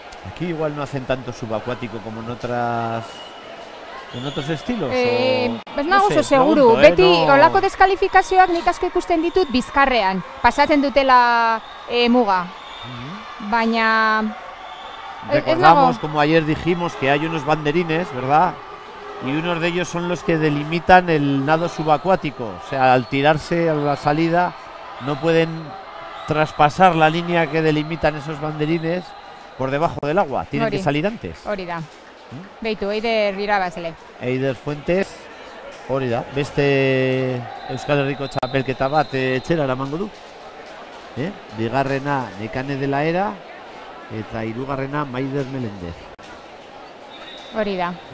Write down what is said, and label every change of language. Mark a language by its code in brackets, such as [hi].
[es] Aquí igual no hacen tanto subacuático como en otras, en otros estilos. Pues no, no sé, seguro. Pregunto, beti, no... [eu] olako deskalifikazioak nik asko ikusten ditut bizkarrean. Pasatzen dutela muga. Mm-hmm. Baina... [es] Recordamos, es como ayer dijimos, que hay unos banderines, ¿verdad? Y unos de ellos son los que delimitan el nado subacuático. O sea, al tirarse a la salida no pueden traspasar la línea que delimitan esos banderines. Por debajo del agua, tienen que salir antes. [eu] Hori da. Beitu, Eider irabazle. Eider Fuentes, hori da. Beste Euskal Herriko txapelketa bat etxera eramango du. Bigarrena Nekane de la Era eta hirugarrena Maider Meléndez. Hori da.